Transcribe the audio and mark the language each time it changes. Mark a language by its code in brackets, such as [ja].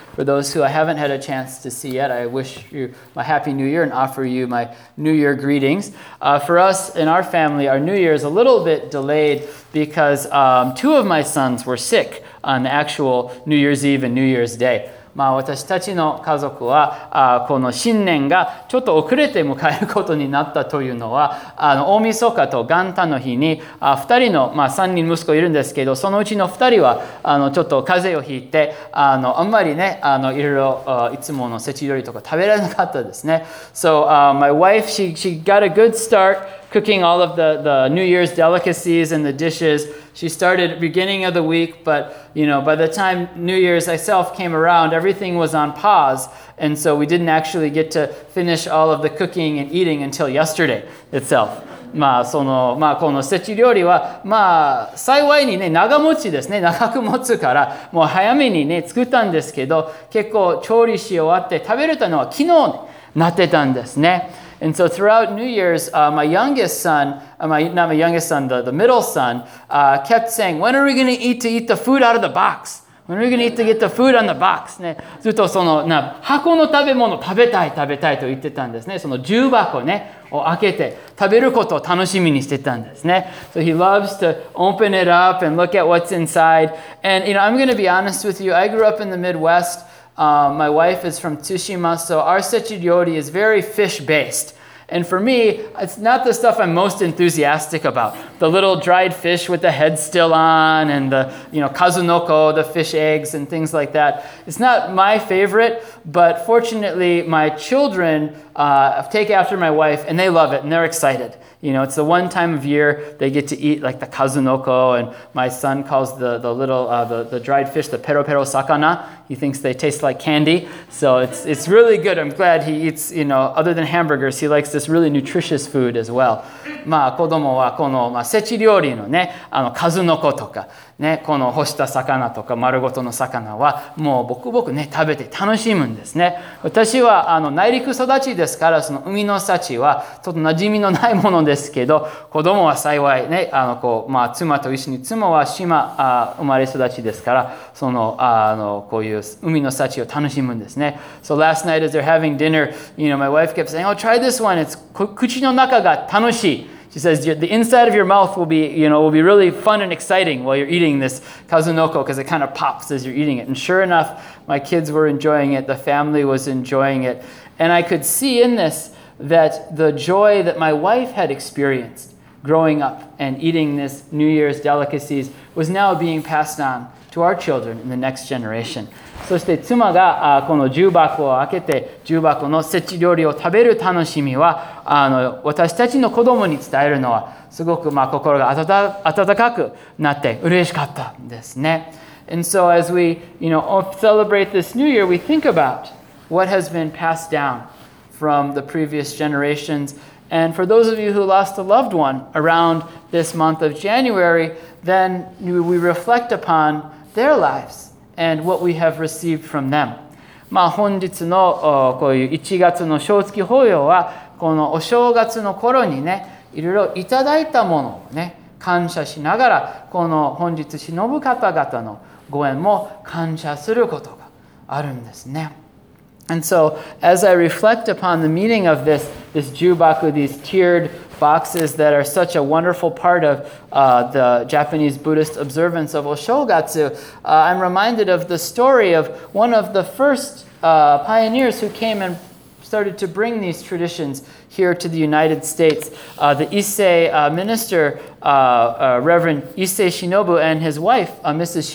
[en] For those who I haven't had a chance to see yet, I wish you my Happy New Year and offer you my New Year greetings. For us in our family, our New Year is a little bit delayed because two of my sons were sick on the actual New Year's Eve and New Year's Day. [ja] まあ私たちの家族はこの新年がちょっと遅れて迎えることになったというのは大晦日と元旦の日に2人のまあ3人息子いるんですけどそのうちの2人はちょっと風邪をひいてあんまりねいろいろいつものせち料理とか食べられなかったですね。 [en] So my wife, she got a good start cooking all of the New Year's delicacies and the dishes. She started beginning of the week, but you know, by the time New Year's itself came around, everything was on pause, and so we didn't actually get to finish all of the cooking and eating until yesterday itself. [ja] まあそのまあこのせち料理はまあ幸いにね長持ちですね長く持つからもう早めにね作ったんですけど結構調理し終わって食べれたのは昨日になってたんですね。 [en] And so throughout New Year's, the middle son, kept saying, when are we going to eat the food out of the box? When are we going to get the food on the box? [ja] ね。ずっとその、箱の食べ物食べたい食べたいと言ってたんですね。その重箱ね、を開けて食べることを楽しみにしてたんですね。 [en] So he loves to open it up and look at what's inside. And, you know, I'm going to be honest with you. I grew up in the Midwest. My wife is from Tsushima, so our sechi-ryori is very fish-based. And for me, it's not the stuff I'm most enthusiastic about. The little dried fish with the head still on, and the, you know, kazunoko, the fish eggs, and things like that. It's not my favorite, but fortunately, my children take after my wife, and they love it, and they're excited. You know, it's the one time of year they get to eat like the kazunoko, and my son calls the little dried fish the pero pero sakana. He thinks they taste like candy, so it's really good. I'm glad he eats, you know, other than hamburgers, he likes this really nutritious food as well. [ja] まあ子供はこのまあせち料理のね、あの kazunoko とかね、この干した魚とか丸ごとの魚はもうボクボクね食べて楽しむんですね。私は内陸育ちですからその海の幸はちょっと馴染みのないものですけど、子供は幸いね、妻と一緒に、妻は島生まれ育ちですから、こういう海の幸を楽しむんですね。 [en] So last night as they're having dinner, you know, my wife kept saying, oh, try this one, it's [ja] 口の中が楽しい。 [en] She says, the inside of your mouth will be really fun and exciting while you're eating this kazunoko because it kind of pops as you're eating it. And sure enough, my kids were enjoying it. The family was enjoying it. And I could see in this that the joy that my wife had experienced growing up and eating this New Year's delicacies was now being passed on to our children in the next generation. [ja] そして妻がこの重箱を開けて重箱のせち料理を食べる楽しみは私たちの子供に伝えるのはすごくまあ心が温かくなって嬉しかったんですね。 [en] And so as we, you know, celebrate this new year, we think about what has been passed down from the previous generations. And for those of you who lost a loved one around this month of January, then we reflect upon their lives and what we have received from them. [ja] まあ本日のこういう1月の正月法要はこのお正月の頃にね、いろいろいただいたものをね、感謝しながら、この本日忍ぶ方々のご縁も感謝することがあるんですね。 [en] And so, as I reflect upon the meaning of this jubaku, these tiered boxes that are such a wonderful part of the Japanese Buddhist observance of Oshogatsu, I'm reminded of the story of one of the first pioneers who came and started to bring these traditions here to the United States, the Issei minister, Reverend Issei Shinobu, and his wife, Mrs.